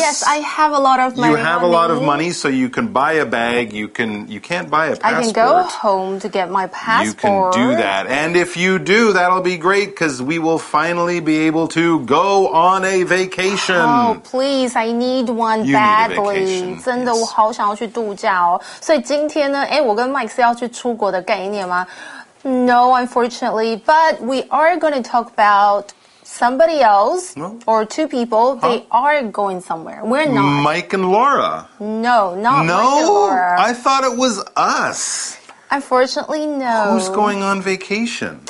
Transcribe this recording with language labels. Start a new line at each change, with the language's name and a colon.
English: Yes, I have a lot of money. You have a lot of money, so you can buy a bag. You can't buy a passport. I can go home to get my passport. You can do that. And if you do, that'll be great, because we will finally be able to go on a vacation. Oh, please. I need one badly. You need a vacation.
Chinese: 真的，我好想要去度假哦。所以今天呢，诶，我跟 Mike 是要去出国的概念吗？
English: No, unfortunately. But we are going to talk aboutSomebody else, or two people, they are going somewhere. We're not. Mike and Laura. No, not no? Mike and Laura. I thought it was us. Unfortunately, no. Who's going on vacation?